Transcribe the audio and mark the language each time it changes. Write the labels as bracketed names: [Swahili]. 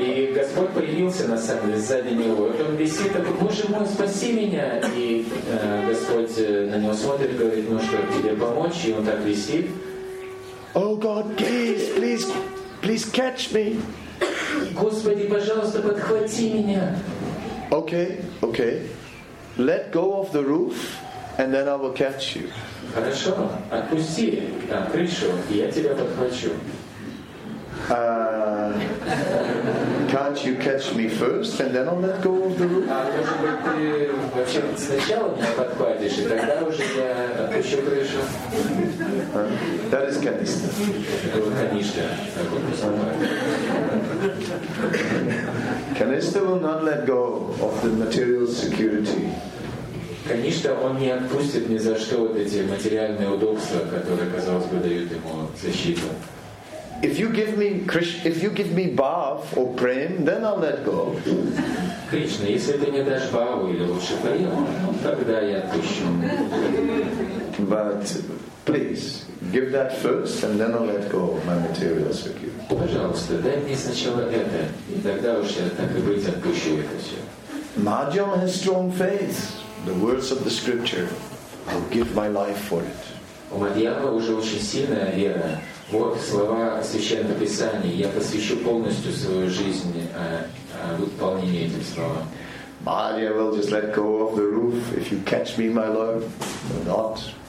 [Russian] И Господь появился на самом деле сзади него. Он висит такой: "Боже мой, спаси меня!" И Господь на него смотрит и говорит: "Ну что, тебе помочь?" И он так висит. [English] Oh God, please, please, please catch me. [Russian] Господи, пожалуйста, подхвати меня. [English] Okay, okay. Let go of the roof, and then I will catch you. [Russian] Хорошо, отпусти там крышу, и я тебя подхвачу. [English] Can't you catch me first, and then I'll let go of the roof? [Russian] А может быть, ты вообще сначала меня подхватишь, и тогда уже я отпущу крышу? [English] That is Kanishka. Kanishka. Kanishka will not let go of the material security. [Russian] Конечно, он не отпустит ни за что вот эти материальные удобства, которые, казалось бы, дают ему защиту. [English] If you give me bhav or prem, then I'll let go. [Russian] Krishna, если ты мне дашь бхаву или лучше прем, тогда я отпущу. [English] But please give that first, and then I'll let go of my material security. [Russian] Пожалуйста, дай мне сначала это, и тогда уж я так и быть отпущу это все. [English] Mahjong has strong faith. The words of the scripture, I'll give my life for it. [Russian] У Мадьяма уже очень сильная вера. Вот слова Священного Писания. Я посвящу полностью свою жизнь выполнению этих слов. [English] Mahjong will just let go of the roof if you catch me, my Lord, or not.